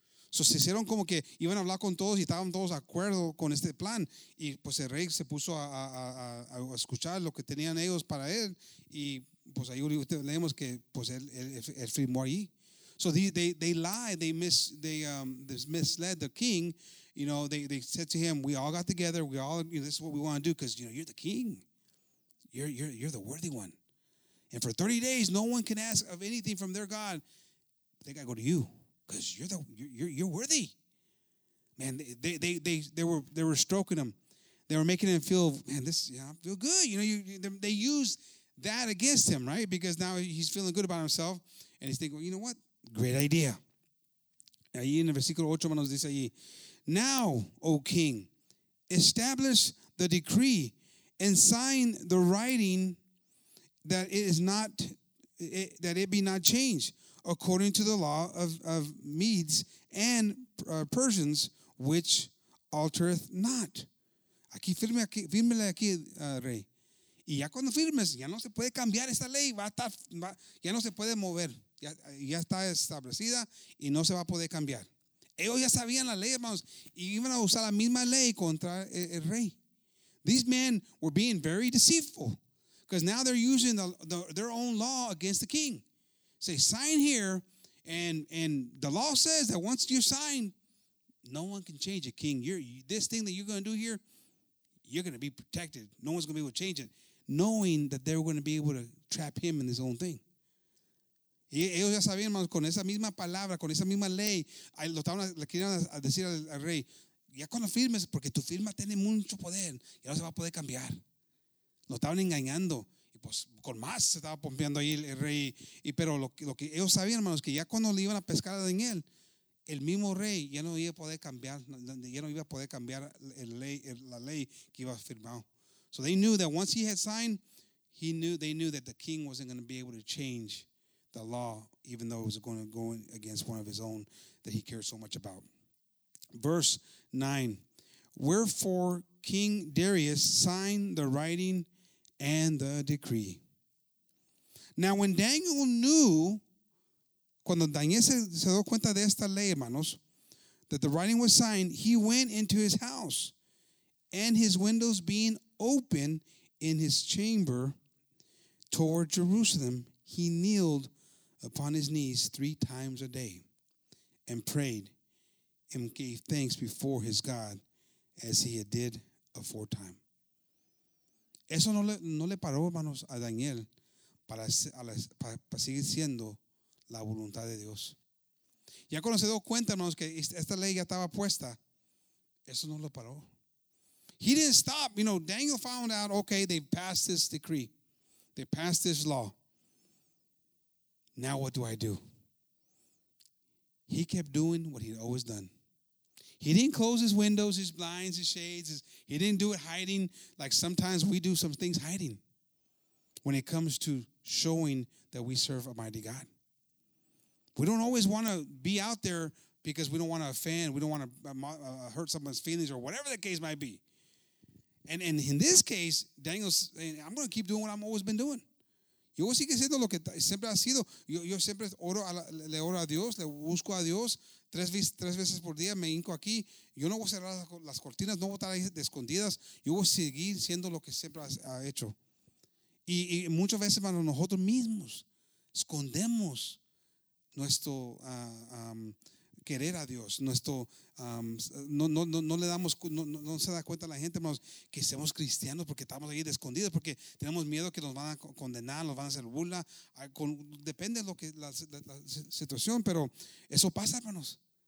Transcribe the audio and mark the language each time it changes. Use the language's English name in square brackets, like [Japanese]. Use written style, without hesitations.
[Spanish] So se hicieron como que iban a hablar con todos y estaban todos de acuerdo con este plan. Y pues el rey se puso a escuchar lo que tenían ellos para él. Y pues ahí leemos que pues él firmó ahí. [English] So they lied, they misled the king. You know, they said to him, we all got together, we all, you know, this is what we want to do, because you know, you're the king. You're the worthy one. And for 30 days, no one can ask of anything from their God. They gotta go to you, because you're worthy. Man, they were stroking him. They were making him feel, man, this, yeah, I feel good. You know, they used that against him, right? Because now he's feeling good about himself and he's thinking, well, you know what? Great idea. [Spanish] Ahí en el versículo 8, hermanos, dice allí, [English] now, O king, establish the decree and sign the writing that it is not, that it be not changed according to the law of Medes and Persians, which altereth not. [Spanish] Aquí firme, fírmele aquí, rey. Y ya cuando firmes, ya no se puede cambiar esta ley, ya no se puede mover. Ya está establecida y no se va a poder cambiar. Ellos ya sabían la ley, hermanos, y iban a usar la misma ley contra el rey. [English] These men were being very deceitful because now they're using their own law against the king. Say, sign here, and the law says that once you sign, no one can change it, king. This thing that you're going to do here, you're going to be protected. No one's going to be able to change it, knowing that they're going to be able to trap him in his own thing. [Spanish] Y ellos ya sabían, hermanos, con esa misma palabra, con esa misma ley, le querían decir al rey, ya cuando firmes, porque tu firma tiene mucho poder, ya no se va a poder cambiar. Lo estaban engañando. Y pues con más se estaba pompeando ahí el rey. Y, pero lo que ellos sabían, hermanos, que ya cuando le iban a pescar a Daniel, el mismo rey ya no iba a poder cambiar, ya no iba a poder cambiar la ley que iba a firmar. [English] So they knew that once he had signed, they knew that the king wasn't going to be able to change the law, even though it was going to go against one of his own that he cared so much about. Verse 9, wherefore King Darius signed the writing and the decree. Now when Daniel knew, [Spanish] cuando Daniel se dio cuenta de esta ley, hermanos, [English] that the writing was signed, he went into his house, and his windows being open in his chamber toward Jerusalem, he kneeled upon his knees three times a day and prayed and gave thanks before his God as he had did aforetime. [Spanish] Eso no le paró, hermanos, a Daniel para seguir siendo la voluntad de Dios. Ya cuando se dio cuenta, hermanos, que esta ley ya estaba puesta, eso no lo paró. [English] He didn't stop. You know, Daniel found out, okay, they passed this decree. They passed this law. Now what do I do? He kept doing what he'd always done. He didn't close his windows, his blinds, his shades. He didn't do it hiding like sometimes we do some things hiding when it comes to showing that we serve a mighty God. We don't always want to be out there because we don't want to offend. We don't want to hurt someone's feelings or whatever the case might be. And in this case, Daniel's saying, I'm going to keep doing what I've always been doing. [Spanish] Yo voy a seguir haciendo lo que siempre ha sido. Yo siempre oro a Dios, le busco a Dios. Tres veces por día me hinco aquí. Yo no voy a cerrar las cortinas, no voy a estar ahí de escondidas. Yo voy a seguir siendo lo que siempre ha hecho. Y muchas veces, hermano, nosotros mismos escondemos nuestro querer a Dios, nuestro no se da cuenta la gente, hermanos, que somos cristianos porque estamos ahí de escondidos, porque tenemos miedo que nos van a condenar, nos van a hacer burla, depende de lo que la situación, pero eso pasa, hermanos.